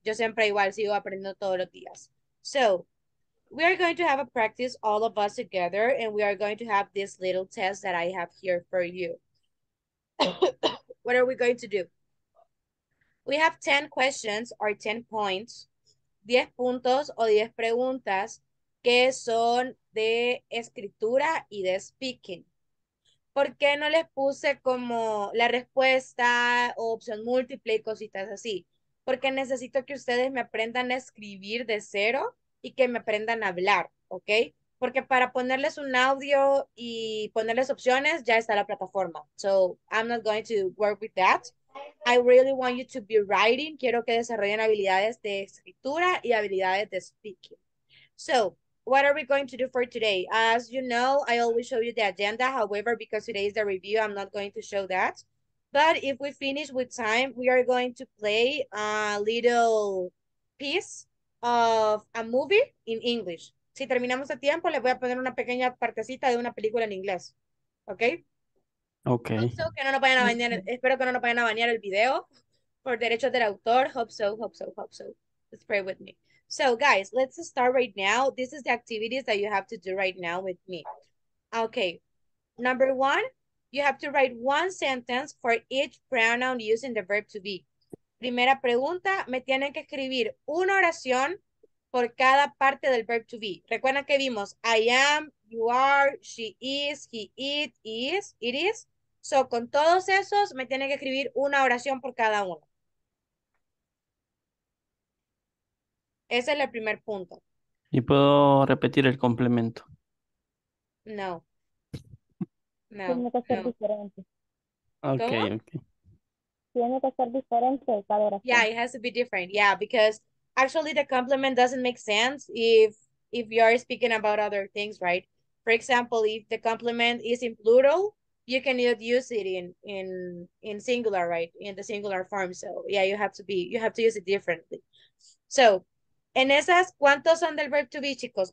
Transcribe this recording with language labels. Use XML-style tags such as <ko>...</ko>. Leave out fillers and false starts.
<es>Yo siempre igual sigo aprendiendo todos los días.</es> <en>So we are going to have a practice, all of us together, and we are going to have this little test that I have here for you. What are we going to do? We have 10 questions or 10 points,</en> <es>10 puntos o 10 preguntas que son de escritura y de speaking. ¿Por qué no les puse como la respuesta o opción múltiple y cositas así? Porque necesito que ustedes me aprendan a escribir de cero y que me aprendan a hablar, ¿ok? Porque para ponerles un audio y ponerles opciones ya está la plataforma.</es> <en>So I'm not going to work with that. I really want you to be writing.</en> <es>Quiero que desarrollen habilidades de escritura y habilidades de speaking.</es> <en>So, what are we going to do for today? As you know, I always show you the agenda. However, because today is the review, I'm not going to show that. But if we finish with time, we are going to play a little piece of a movie in English.</en> <es>Si terminamos a tiempo, le voy a poner una pequeña partecita de una película en inglés.</es> <en>¿Ok? Hope Okay.</en> <es>so, que no nos vayan a banear, espero que no nos vayan a banear el video por derechos del autor.</es> <en>Hope so, hope so, hope so. Let's pray with me. So, guys, let's start right now. This is the activities that you have to do right now with me. Okay. Number one, you have to write one sentence for each pronoun using the verb to be.</en> <es>Primera pregunta, me tienen que escribir una oración por cada parte del verb to be. Recuerda que vimos</es> <en>I am, you are, she is, he it, is, it is.</en> <es>So, con todos esos, me tienen que escribir una oración por cada uno. Ese es el primer punto. Y puedo repetir el complemento. No. No, Tiene que ser ¿Cómo? diferente.</es> <en>Yeah, Okay.</en> <es>tiene que ser diferente cada oración.</es> <en>it has to be different. Yeah, because actually the complement doesn't make sense if you are speaking about other things, right? For example, if the complement is in plural, you cannot use it in singular, right? In the singular form. So yeah, you have to use it differently.</en> <es>So en esas, ¿cuántos son del verb to be, chicos?</es>